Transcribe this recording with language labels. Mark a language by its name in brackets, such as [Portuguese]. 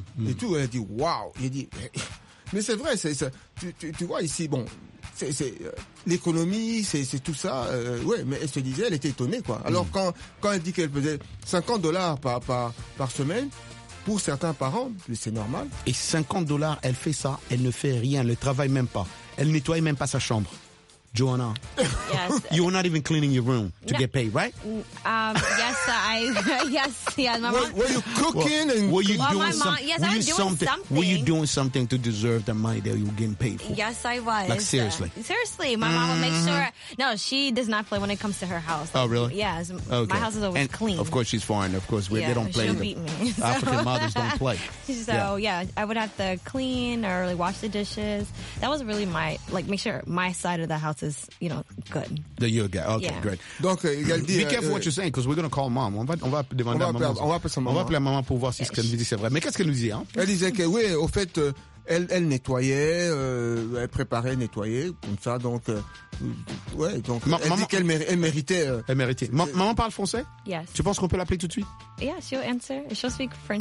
[French] Et tout, elle dit, waouh. J'ai dit, mais c'est vrai, tu vois ici, bon, c'est l'économie, c'est tout ça. Ouais, mais elle se disait, elle était étonnée, quoi. Alors quand elle dit qu'elle faisait $50 par semaine, pour certains parents, c'est normal. Et $50, elle fait ça, elle ne fait rien, elle ne travaille même pas. Elle nettoie même pas sa chambre. Joanna, [English] yes. You're not even cleaning your room to get paid, right? Yes, my mom. Were you cooking and were you doing something? Were you doing something to deserve the money that you were getting paid for? Yes, I was. Like seriously. Seriously, my mom will make sure. No, she does not play when it comes to her house. Oh, really? Yes. Okay. My house is always and clean. Of course, she's foreign. Of course, they don't play. She'll beat me. African mothers don't play. So yeah, I would have to clean or like wash the dishes. That was really my like make sure my side of the house is, you know, good. The yoga. Okay, yeah. Great. [French] Donc, [English] be careful what you're saying, because we're going to call mom. [French] On va demander on va appeler, à maman. On va appeler sa maman. On va appeler à maman pour voir si ce qu'elle nous dit, c'est vrai. Mais qu'est-ce qu'elle nous dit, hein? Elle disait que, oui, au fait, elle nettoyait, elle préparait, nettoyait, comme ça, donc... ouais, donc elle dit qu'elle méritait... Elle méritait. Maman parle français? [English] Yes. [French] Tu penses qu'on peut l'appeler tout de suite? [English] Yeah, she'll answer. She'll speak French.